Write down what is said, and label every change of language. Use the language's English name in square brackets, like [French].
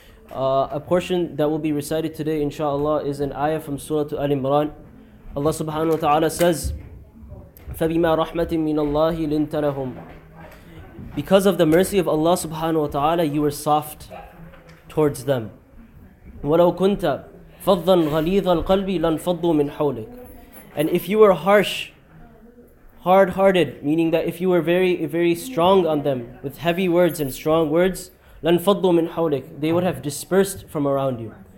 [English] A portion that will be recited today, inshallah, is an ayah from Surah Al-Imran. Allah subhanahu wa ta'ala says, [Arabic] فَبِمَا رَحْمَةٍ مِّنَ اللَّهِ لِنْتَ لَهُمْ. [English] Because of the mercy of Allah subhanahu wa ta'ala, you were soft towards them. [Arabic] وَلَوْ كُنْتَ فَضًّا غَلِيظَ الْقَلْبِ لَنْفَضُّوا مِنْ حَوْلِكَ. [English] And if you were harsh, hard-hearted, meaning that if you were very, very strong on them, with heavy words and strong words, [Arabic] لَنْفَضُّوا مِنْ حَوْلِكَ, [English] they would have dispersed from around you.